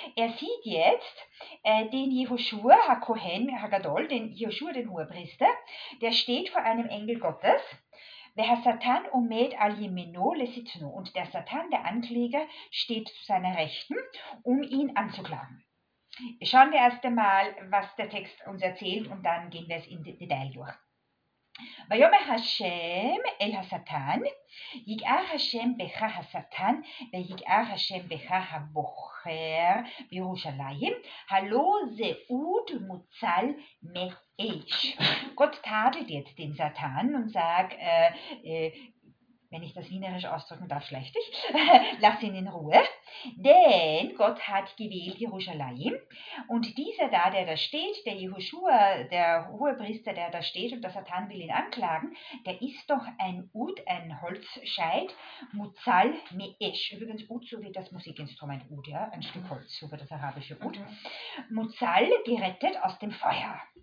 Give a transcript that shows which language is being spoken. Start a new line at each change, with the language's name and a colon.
German: Er sieht jetzt den Jehoshua, HaKohen, HaGadol, den Jehoshua, den Hohepriester, der steht vor einem Engel Gottes.
Hebrew: VeHaSatan Omed al Yemino leSitno.
German: Und der Satan, der Ankläger, steht zu seiner Rechten, um ihn anzuklagen. Schauen wir erst einmal, was der Text uns erzählt und dann gehen wir es in Detail durch.
Hebrew: ויאמר השם אל השטן, יגער השם בך השטן, ויגער השם בך הבוחר בירושלים, הלא זהות מוצל מאש.
German: Gott tadelt jetzt den Satan und sagt, wenn ich das wienerisch ausdrücken darf, schlecht ich, lass ihn in Ruhe, denn Gott hat gewählt Jerusalem und dieser da, der da steht, der Jehoshua, der Hohepriester, der da steht und der Satan will ihn anklagen, der ist doch ein Ud, ein Holzscheit, Muzal Me'esh, übrigens Ud, so wie das Musikinstrument Ud, ja, ein Stück Holz, so wie das arabische Ud, Muzal gerettet aus dem Feuer.